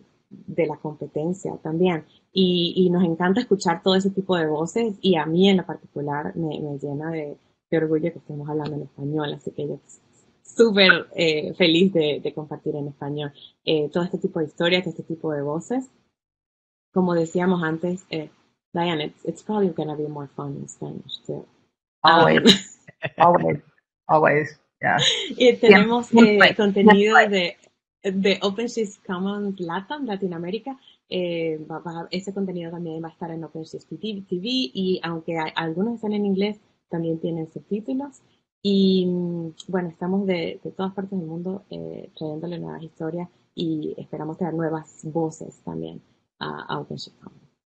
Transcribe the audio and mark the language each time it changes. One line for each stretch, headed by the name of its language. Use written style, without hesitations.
Spanish: de la competencia también. Y nos encanta escuchar todo ese tipo de voces y a mí en lo particular me llena de orgullo que estemos hablando en español. Así que yo súper feliz de compartir en español todo este tipo de historias, este tipo de voces. Como decíamos antes,
English: Diane, it's probably going to be more fun in Spanish too. Always, always, always, yeah.
Spanish: Y tenemos contenido de OpenShift Commons Latam, Latinoamérica. Ese contenido también va a estar en OpenShift TV y aunque algunos están en inglés, también tienen subtítulos. Y bueno, estamos de todas partes del mundo trayéndole nuevas historias y esperamos tener nuevas voces también a OpenShift Commons.